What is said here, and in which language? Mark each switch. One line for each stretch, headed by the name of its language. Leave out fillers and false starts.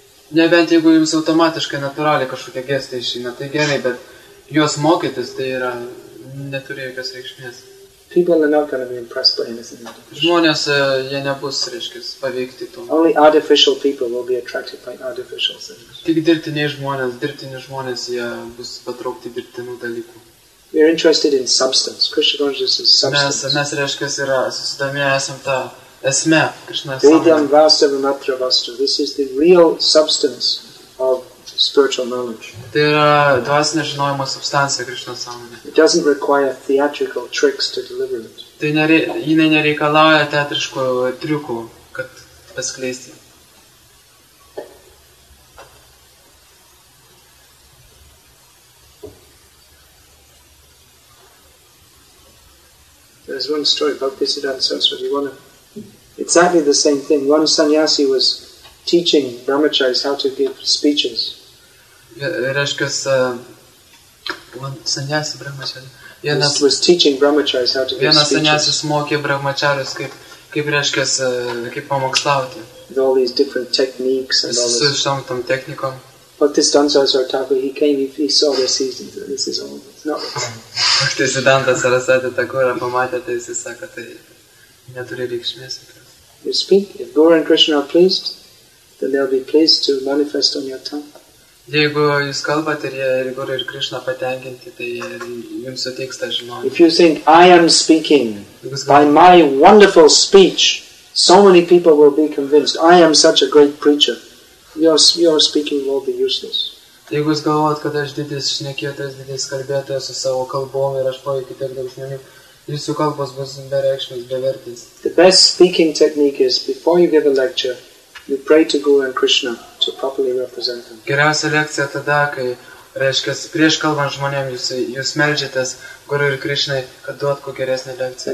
Lithuanian: Nebent jeigu jums automatiškai natūraliai kažkokie gestai išeina, tai gerai, bet juos mokytis, tai yra, neturi jokios reikšmės.
English: People are not going to be impressed by anything artificial.
Lithuanian: Žmonės, jie nebus, reiškia, paveikti to.
English: Only artificial people will be attracted by artificial things.
Lithuanian: Tik dirbtiniai žmonės, jie bus patraukti dirbtinų dalykų.
English: We are interested in substance. Krishna consciousness is substance.
Lithuanian: Mes reiškia, yra, susidomėję esam tą esmę, Krishna sąmonę.
English: This is the real substance of spiritual knowledge.
Lithuanian: Tai yra dvasinė žinojimo substancija, Krishna sąmonė.
English: It doesn't require theatrical tricks to deliver it.
Lithuanian: Tai jinai nereikalauja teatriškų triukų, kad paskleisti.
English: There's one story about Bhaktisiddhanta Saraswati. One, exactly the same thing. One sannyasi was teaching brahmacharis how to give speeches. Was teaching brahmacharis how to give speeches.
Lithuanian: Vienas sannyasis mokė brahmacharis kaip pamokslauti.
English: With all these different techniques and all this.
Lithuanian: Su šiom tom technikom.
English: Bhaktisiddhanta Saraswati, he came, he saw this, he said, this is all.
Lithuanian: Bhaktisiddhanta Saraswati Thakura pamatė, tai jis sako, tai neturi reikšmės.
English: You speak, if Guru and Krishna are pleased, then they'll be pleased to manifest on your tongue.
Lithuanian: Jeigu jūs kalbate ir Guru ir Krishna patenkinti, tai jums suteiks tą žinojimą.
English: If you think, I am speaking, by my wonderful speech, so many people will be convinced, I am such a great preacher, your speaking will be useless.
Lithuanian: Jeigu jūs galvojat, kad aš didis šnekėtojas, didis kalbėtojas su savo kalbom ir aš poveikiu tiek daug žmonių, jūsų kalbos bus bereikšmės, bevertės.
English: The best speaking technique is, before you give a lecture, you pray to Guru and Krishna to properly represent them.
Lithuanian: Geriausia lekcija tada, kai, reiškia, prieš kalbant žmonėm, jūs meldžiatės Guru ir Krishnai, kad duot kuo geresnį lekciją.